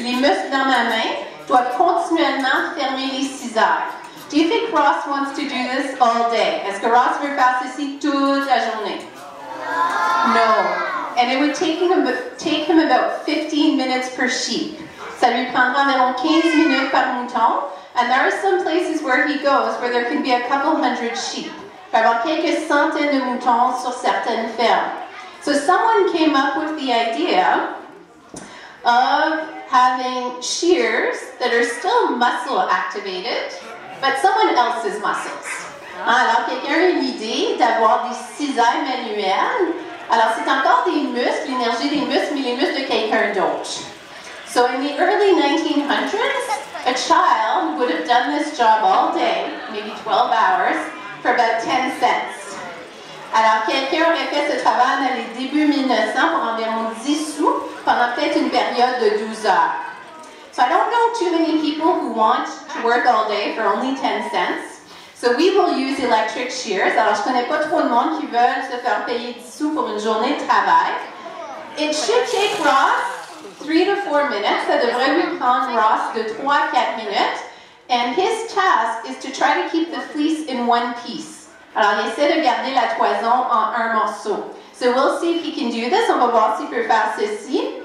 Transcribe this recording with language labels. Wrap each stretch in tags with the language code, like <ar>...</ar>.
<fr>Les muscles dans ma main doivent continuellement fermer les ciseaux.</fr> <en>Do you think Ross wants to do this all day?</en> <fr>Est-ce que Ross veut faire ceci toute la journée?</fr> <en>No. And it would take him about 15 minutes per sheep.</en> <fr>Ça lui prendra environ 15 minutes par mouton.</fr> <en>And there are some places where he goes where there can be a couple hundred sheep.</en> <fr>Il va y avoir quelques centaines de moutons sur certaines fermes.</fr> <en>So someone came up with the idea of having shears that are still muscle activated, but someone else's muscles.</en> <fr>Alors, quelqu'un a une idée d'avoir des cisailles manuelles. Alors, c'est encore des muscles, l'énergie des muscles, mais les muscles de quelqu'un d'autre.</fr> <en>So, in the early 1900s, a child would have done this job all day, maybe 12 hours, for about 10 cents.</en> <fr>Alors, quelqu'un aurait fait ce travail dans les débuts 1900 pour environ 10 sous pendant peut-être une période de 12 heures.</fr> <en>So, I don't know too many people who want to work all day for only 10 cents. So we will use electric shears.</en> <fr>Alors, je connais pas trop de monde qui veut se faire payer 10 sous pour une journée de travail.</fr> <en>It should take Ross 3 to 4 minutes.</en> <fr>Ça devrait lui prendre Ross de 3-4 minutes.</fr> <en>And his task is to try to keep the fleece in one piece.</en> <fr>Alors, il essaie de garder la toison en un morceau.</fr> <en>So we'll see if he can do this.</en> <fr>On va voir s'il peut faire ceci.</fr>